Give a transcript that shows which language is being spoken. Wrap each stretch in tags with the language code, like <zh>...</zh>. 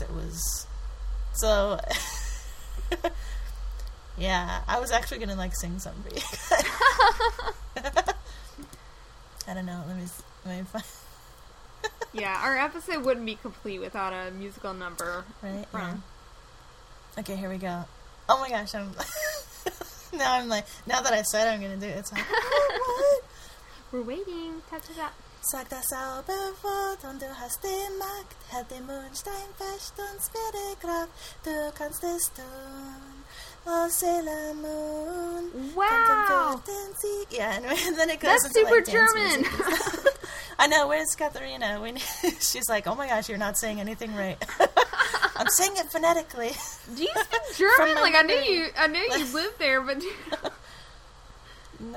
<en>It was so yeah, I was actually gonna like sing some for you. I don't know, let me find. Yeah, our episode wouldn't be complete without a musical number. Right, yeah. Okay, here we go. Oh my gosh, now that I said I'm going to do it, it's like, oh, what? We're waiting. Touch it up.</en> <de>Sag das Albevot und du hast die Macht, hält den Mondstein fest und spüre Kraft, du kannst es tun.</de> <en>Oh, Sailor Moon. Wow! Yeah, anyway, and then it goes That's into, super like, German! I know, where's Katharina? She's like, oh my gosh, you're not saying anything right. I'm saying it phonetically. Do you speak German? Like, I knew you lived there, but... No.</en>